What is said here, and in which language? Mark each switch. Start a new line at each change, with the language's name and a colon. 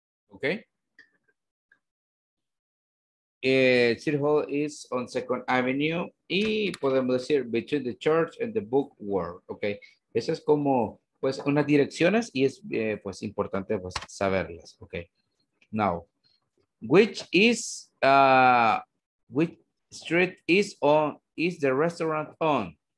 English: Okay. City Hall is on Second Avenue
Spanish: y podemos decir
English: between the church and the book world. Okay.
Spanish: Esa es como pues unas direcciones y es pues importante pues saberlas.
English: Okay. Now, which is which street is on, is the restaurant on?